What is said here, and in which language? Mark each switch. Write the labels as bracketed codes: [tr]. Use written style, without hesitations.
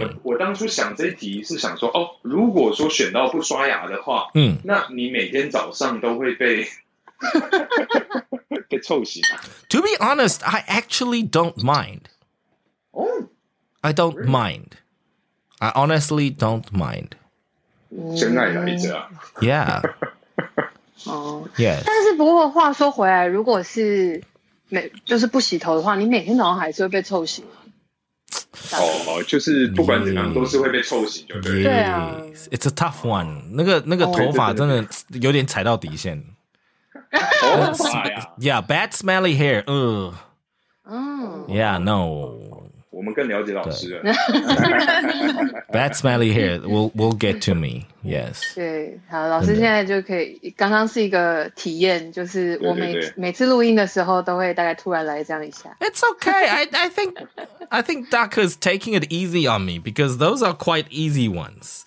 [zh] 因为我当初想这一题是想说，哦，如果说选到不刷牙的话，那你每天早上都会被被臭醒吗。 [en] To be honest, I actually don't mind. Oh, I don't、really? mind. I honestly don't mind. [zh] 真爱来着、啊。 [en] Yeah. 哦，Yes. [zh] 但是不过话说回来，如果是。就是不洗头的话，你每天早上还是会被臭醒。就是不管怎样都是会被臭醒就对了。 [en] Yes, it's a tough one. [zh] 那个头发真的有点踩到底线。 [en] Yeah, bad smelly hair. Yeah, no. [zh] 我们更了解老师了。 [en] Bad smelly hair will get to me. Yes. [zh] 对，好，老师现在就可以。刚刚是一个体验，就是我每次录音的时候都会大概突然来这样一下。 [en] It's okay. I think Daka is taking it easy on me because those are quite easy ones.